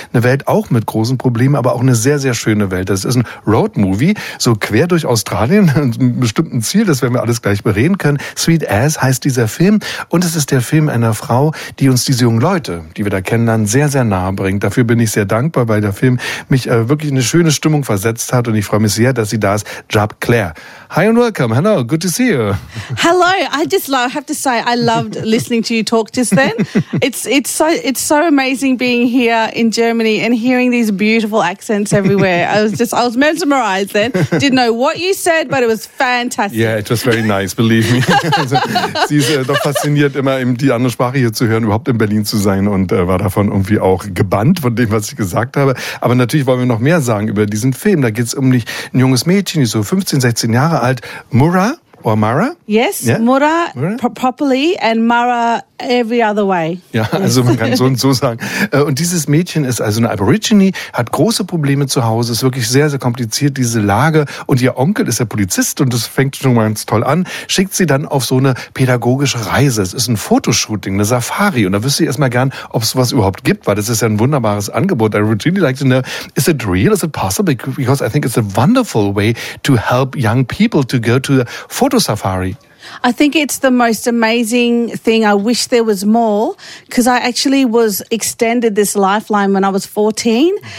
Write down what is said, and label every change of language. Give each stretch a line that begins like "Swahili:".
German: Eine Welt auch mit großen Problemen, aber auch eine sehr, sehr schöne Welt. Das ist ein Roadmovie, so quer durch Australien, mit einem bestimmten Ziel, das werden wir alles gleich bereden können. Sweet Ass heißt dieser Film. Und es ist der Film einer Frau, die uns diese jungen Leute, die wir da kennenlernen, sehr, sehr nahe bringt. Dafür bin ich sehr dankbar, weil der Film mich wirklich in eine schöne Stimmung versetzt hat. Und ich freue mich sehr, dass sie da ist.
English: Jab Claire. Hi and welcome. Hello. Good to see you. Hello. I loved listening to you talk just then. It's so amazing being here in Germany and hearing these beautiful accents everywhere. I was mesmerized then. Didn't know what you said, but it was fantastic. Yeah, it was very nice, believe me.
German: Sie ist doch fasziniert, immer die andere Sprache hier zu hören, überhaupt in Berlin zu sein und war davon irgendwie auch gebannt von dem, was ich gesagt habe. Aber natürlich wollen wir noch mehr sagen über diesen Film. Da geht es um nicht ein junges Mädchen, die so 15, 16 Jahre alt, Mara?
English: Yes, yeah? Mura properly and Mara every other way.
German: Ja, also man kann so und so sagen. Und dieses Mädchen ist also eine Aborigine, hat große Probleme zu Hause, ist wirklich sehr, sehr kompliziert, diese Lage. Und ihr Onkel ist der Polizist und das fängt schon mal ganz toll an, schickt sie dann auf so eine pädagogische Reise. Es ist ein Fotoshooting, eine Safari. Und da wüsste ich erstmal gern, ob es sowas überhaupt gibt, weil das ist ja ein wunderbares Angebot.
English: Aborigine like to know, is it real? Is it possible? Because I think it's a wonderful way to help young people to go to a photo safari. I think it's the most amazing thing. I wish there was more because I actually was extended this lifeline when I was 14.